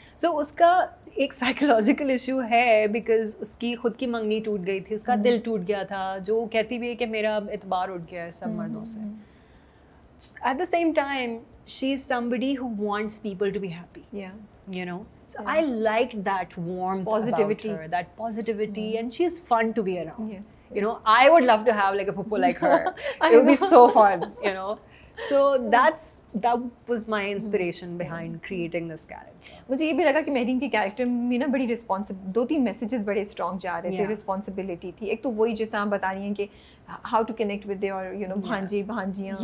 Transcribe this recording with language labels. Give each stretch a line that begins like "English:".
Hindi: सो उसका एक psychological issue है बिकॉज उसकी खुद की मंगनी टूट गई थी, उसका दिल टूट गया था, जो कहती भी है कि मेरा अब एतबार उठ गया है सब मर्दों से.
English: At the same time she is somebody who wants people to be happy, you know. So I like that warmth, positivity, that positivity, and she is fun to be around. Yes. You know, I would love to have like a Phuppo like her. It would be so fun, you know. So that was my inspiration behind creating this character.
Hindi: मुझे ये भी लगा कि मेहरीन के character में ना बड़ी responsibility, दो तीन मैसेजेस बड़े स्ट्रॉन्ग जा रहे थे. रिस्पॉन्सिबिलिटी थी, एक तो वही जिस तरह बता रही हैं कि
English: how to connect with their, you know,
Hindi: भांजी भांजियाँ.